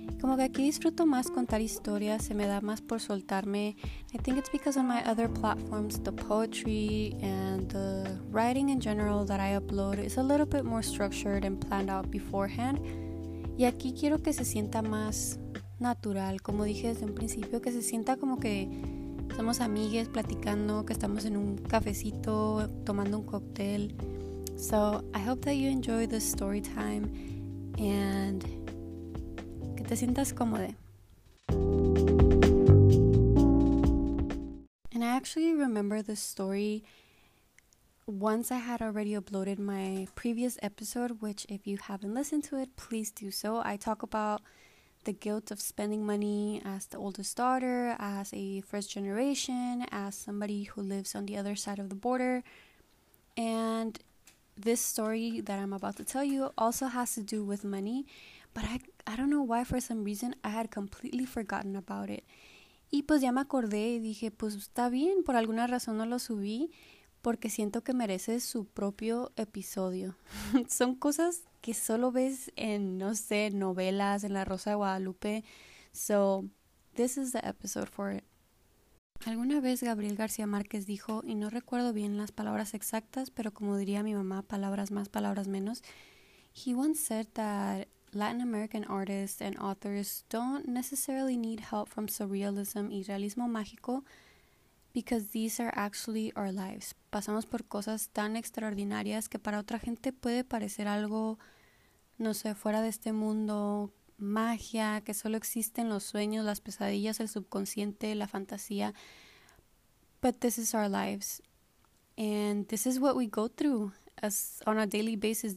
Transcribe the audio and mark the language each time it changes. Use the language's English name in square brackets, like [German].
[Spanish] Como que aquí disfruto más contar historias, se me da más por soltarme. [English] I think it's because on my other platforms, the poetry and the writing in general that I upload is a little bit more structured and planned out beforehand. [Spanish] Y aquí quiero que se sienta más natural, como dije desde un principio, que se sienta como que somos amigues platicando, que estamos en un cafecito, tomando un cóctel. [English] So, I hope that you enjoy this story time and [Spanish] te sientas cómoda. [English] And I actually remember this story once I had already uploaded my previous episode, which if you haven't listened to it, please do so. I talk about the guilt of spending money as the oldest daughter, as a first generation, as somebody who lives on the other side of the border. And this story that I'm about to tell you also has to do with money, but I don't know why, for some reason, I had completely forgotten about it. [Spanish] Y pues ya me acordé y dije, pues está bien, por alguna razón no lo subí, porque siento que merece su propio episodio. Son cosas que solo ves en, no sé, novelas, en La Rosa de Guadalupe. [English] So, this is the episode for it. [Spanish] Alguna vez Gabriel García Márquez dijo, y no recuerdo bien las palabras exactas, pero como diría mi mamá, palabras más, palabras menos. [English] He once said that Latin American artists and authors don't necessarily need help from surrealism [Spanish] y realismo mágico [English] because these are actually our lives. [Spanish] Pasamos por cosas tan extraordinarias que para otra gente puede parecer algo, no sé, fuera de este mundo, magia, que solo existen los sueños, las pesadillas, el subconsciente, la fantasía. [English] But this is our lives. And this is what we go through as on a daily basis.